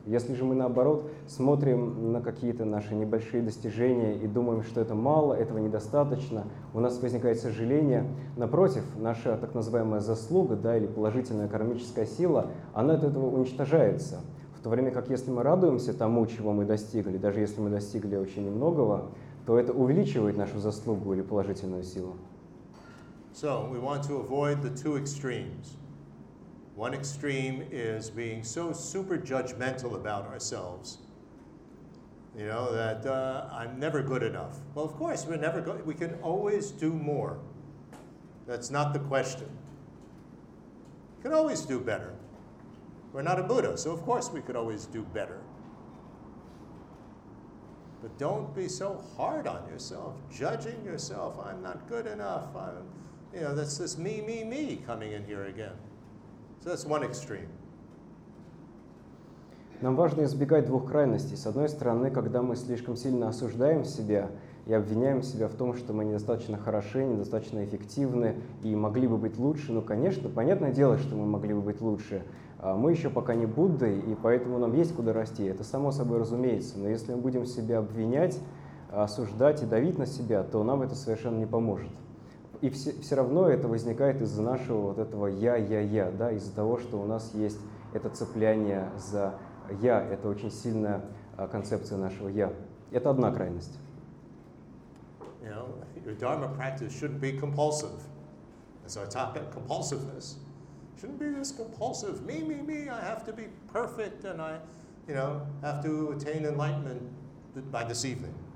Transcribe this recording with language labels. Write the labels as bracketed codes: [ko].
[ru] Если же мы, наоборот, смотрим на какие-то наши небольшие достижения и думаем, что это мало, этого недостаточно, у нас возникает сожаление. Напротив, наша так называемая заслуга, да, или положительная кармическая сила, она от этого уничтожается. В то время как если мы радуемся тому, чего мы достигли, даже если мы достигли очень немногого, то это увеличивает нашу заслугу или положительную силу. [en] So we want to avoid the two extremes. One extreme is being so super judgmental about ourselves, you know, that I'm never good enough. Well, of course, we're never good. We can always do more. That's not the question. We can always do better. We're not a Buddha, so of course we could always do better. But don't be so hard on yourself, judging yourself. I'm not good enough. You know, that's this me coming in here again. So that's one extreme. [ru] Нам важно избегать двух крайностей. С одной стороны, когда мы слишком сильно осуждаем себя и обвиняем себя в том, что мы недостаточно хороши, недостаточно эффективны и могли бы быть лучше. Ну, конечно, понятное дело, что мы могли бы быть лучше. Мы еще пока не Будды, и поэтому нам есть куда расти. Это само собой разумеется. Но если мы будем себя обвинять, осуждать и давить на себя, то нам это совершенно не поможет. И все равно это возникает из-за нашего вот этого «я», да, из-за того, что у нас есть это цепляние за «я». Это очень сильная концепция нашего «я». Это одна крайность. [en] You know, your dharma practice shouldn't be compulsive. That's our topic, compulsiveness. Shouldn't be this compulsive, me, I have to be perfect, and I, you know, have to attain enlightenment by this evening.